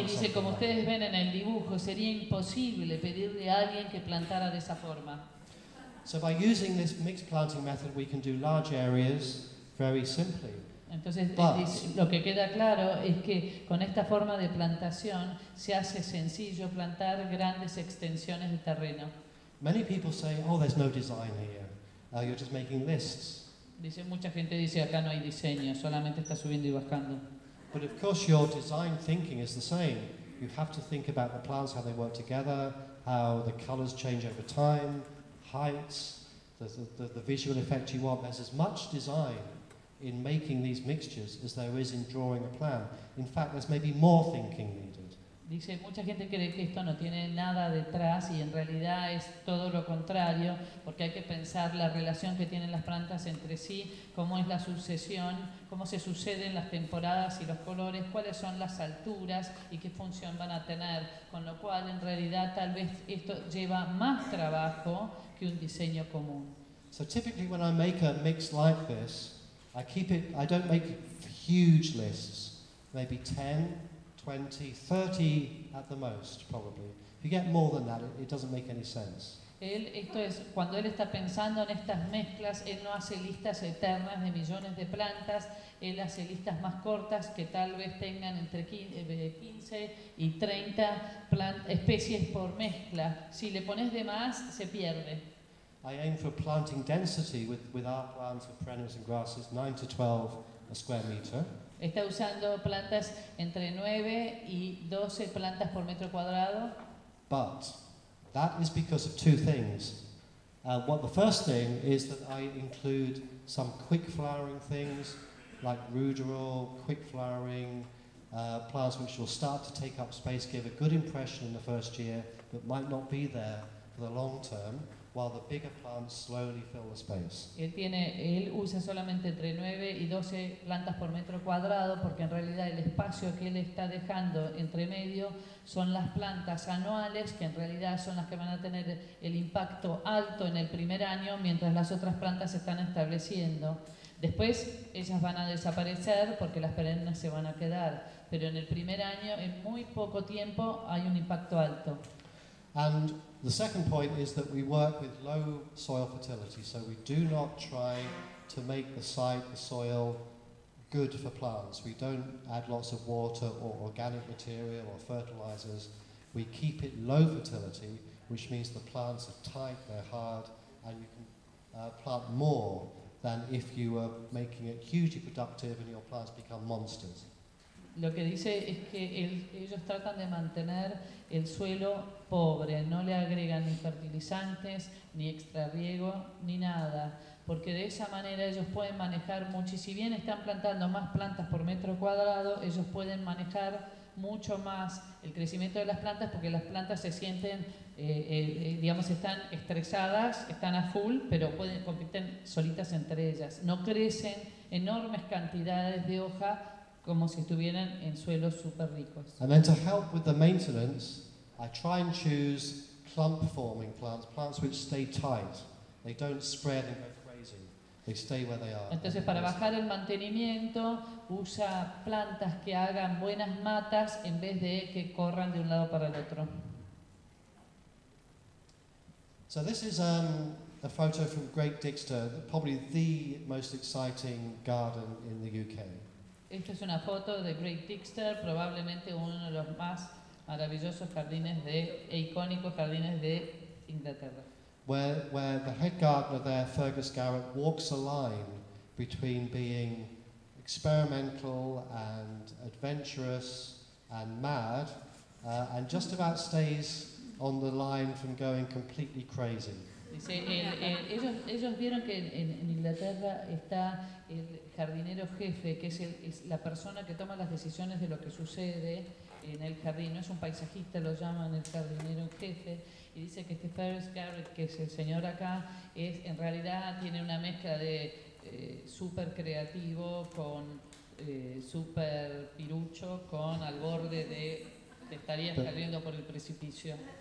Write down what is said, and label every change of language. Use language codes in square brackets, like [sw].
[es] Y dice como ustedes [en] like [es] ven en el dibujo, sería imposible pedirle a alguien que plantara de esa forma. [en] So by using this mixed planting method, we can do large areas very simply. [es] Entonces, but, lo que queda claro es que con esta forma de plantación se hace sencillo plantar grandes extensiones de terreno. [en] Many people say, "Oh, there's no design here. You're just making lists." [es] Dice mucha gente dice acá no hay diseño, solamente está subiendo y bajando. [en] But of course, your design thinking is the same. You have to think about the plants, how they work together, how the colors change over time, heights, the visual effect you want. There's as much design in making these mixtures as there is in drawing a plan. In fact, there's maybe more thinking needed. [es] Dice mucha gente cree que esto no tiene nada detrás y en realidad es todo lo contrario, porque hay que pensar la relación que tienen las plantas entre sí, cómo es la sucesión, cómo se suceden las temporadas y los colores, cuáles son las alturas y qué función van a tener, con lo cual en realidad tal vez esto lleva más trabajo que un diseño común. [en] So typically when I make a mix like this, I keep it, I don't make huge lists, maybe 10, 20, 30 at the most, probably. If you get more than that, it doesn't make any sense. [es] Él, esto es, cuando él está pensando en estas mezclas, él no hace listas eternas de millones de plantas, él hace listas más cortas que tal vez tengan entre 15 y 30 especies por mezcla. Si le pones de más, se pierde. [en] I aim for planting density with our plants of perennials and grasses 9 to 12 a square meter. [es] Está usando plantas entre 9 y 12 plantas por metro cuadrado. [en] But that is because of two things. What the first thing is that I include some quick flowering things like ruderal, quick flowering plants which will start to take up space, give a good impression in the first year, but might not be there for the long term. While the bigger plants slowly fill the space. [es] Él usa solamente entre 9 y 12 plantas por metro cuadrado porque en realidad el espacio que él está dejando entre medio son las plantas anuales que en realidad son las que van a tener el impacto alto en el primer año mientras las otras plantas se están estableciendo. Después ellas van a desaparecer porque las perennes se van a quedar, pero en el primer año en muy poco tiempo hay un impacto alto. [en] And the second point is that we work with low soil fertility, so we do not try to make the site, the soil, good for plants. We don't add lots of water or organic material or fertilizers. We keep it low fertility, which means the plants are tight, they're hard, and you can plant more than if you were making it hugely productive and your plants become monsters. [es] Lo que dice es que ellos tratan de mantener el suelo pobre, no le agregan ni fertilizantes, ni extrarriego, ni nada, porque de esa manera ellos pueden manejar mucho, y si bien están plantando más plantas por metro cuadrado, ellos pueden manejar mucho más el crecimiento de las plantas, porque las plantas se sienten, digamos, están estresadas, están a full, pero pueden compiten solitas entre ellas. No crecen enormes cantidades de hoja, como si estuvieran en suelos super ricos. [en] And then to help with the maintenance, I try and choose clump-forming plants, plants which stay tight. They don't spread and go crazy. They stay where they are. [es] Entonces, para bajar el mantenimiento, usa plantas que hagan buenas matas en vez de que corran de un lado para el otro. [en] So this is a photo from Great Dixter, probably the most exciting garden in the UK. [es] Esta es una foto de Great Dixter, probablemente uno de los más maravillosos jardines de e icónicos jardines de Inglaterra. [en] Where the head gardener there, Fergus Garrett, walks a line between being experimental and adventurous and mad, and just about stays on the line from going completely crazy. [es] Dice, ellos vieron que en Inglaterra está el jardinero jefe, que es la persona que toma las decisiones de lo que sucede en el jardín. No es un paisajista, lo llaman el jardinero jefe. Y dice que este Ferris Garrett, que es el señor acá, es, en realidad tiene una mezcla de súper creativo con súper pirucho, con al borde de estaría escalando por el precipicio.